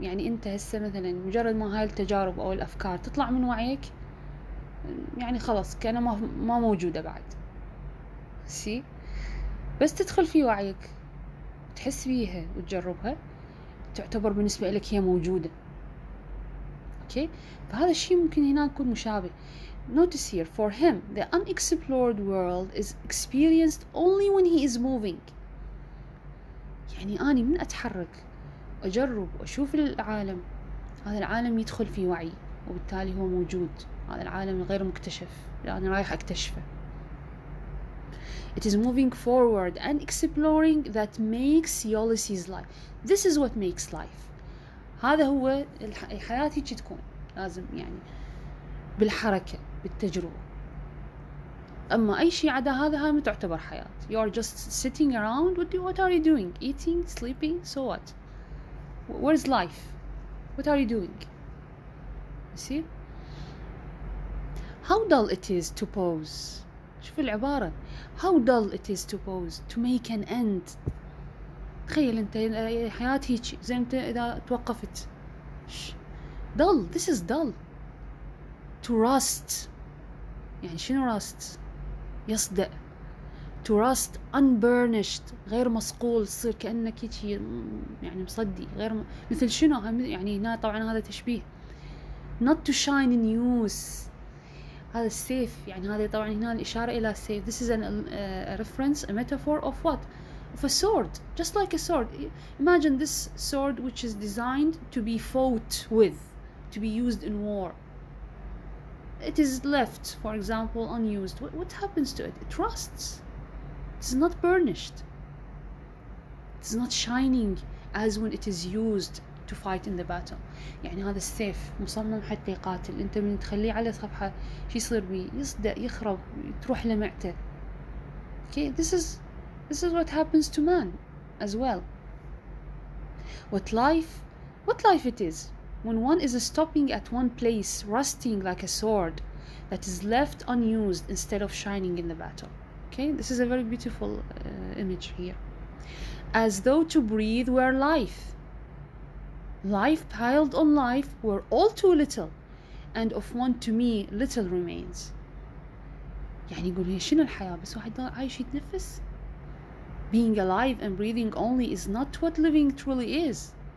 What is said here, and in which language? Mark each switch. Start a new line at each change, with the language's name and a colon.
Arabic: يعني انت هسه مثلا مجرد ما هاي التجارب او الافكار تطلع من وعيك، يعني خلاص كأنها ما موجودة بعد. سي بس تدخل في وعيك تحس بيها وتجربها، تعتبر بالنسبة لك هي موجودة. أوكي، فهذا الشيء ممكن هنا يكون مشابه.
English: Notice here, for him, the unexplored world is experienced only when he is moving.
Arabic: يعني أنا من أتحرك أجرب وأشوف العالم، هذا العالم يدخل في وعي وبالتالي هو موجود، هذا العالم غير مكتشف لأني رايح أكتشفه.
English: It is moving forward and exploring that makes Ulysses life. This is what makes life.
Arabic: هذا هو الحياة هيك تكون، لازم يعني بالحركة بالتجربة. أما أي شيء عدا هذا هاي ما تعتبر حياة.
English: You are just sitting around. What are you doing? Eating, sleeping, so what? Where is life? What are you doing? You see? How dull it is to pose.
Arabic: شوف العبارة.
English: How dull it is to pose, to make an end.
Arabic: تخيل أنت حياة هيك، زي أنت إذا توقفت.
English: Dull. This is dull. To rust.
Arabic: يعني شنو rust؟ يصدأ.
English: To rust unburnished.
Arabic: غير مصقول. صير كأنك هيك يعني مصدي. غير مثل شنو؟ يعني هنا طبعا هذا تشبيه.
English: Not to shine in use.
Arabic: هذا السيف، يعني هذا طبعا هنا الإشارة إلى السيف.
English: This is an, a reference, a metaphor of what? Of a sword, just like a sword. Imagine this sword which is designed to be fought with, to be used in war. It is left, for example, unused. What happens to it? It rusts. It is not burnished. It is not shining as when it is used to fight in the battle.
Arabic: يعني هذا السيف مصمم حتى يقاتل، انت من تخليه على صفحة شي يصير بي يصدق يخرب تروح لمعته.
English: Okay, this is what happens to man as well. What life it is when one is stopping at one place rusting like a sword that is left unused instead of shining in the battle. Okay, this is a very beautiful image here. As though to breathe were life. Life piled on life were all too little, and of one to me little remains.
Arabic: يعني يقول هي شنو الحياة بس واحد عايش يتنفس.
English: Being alive and breathing only is not what living truly is.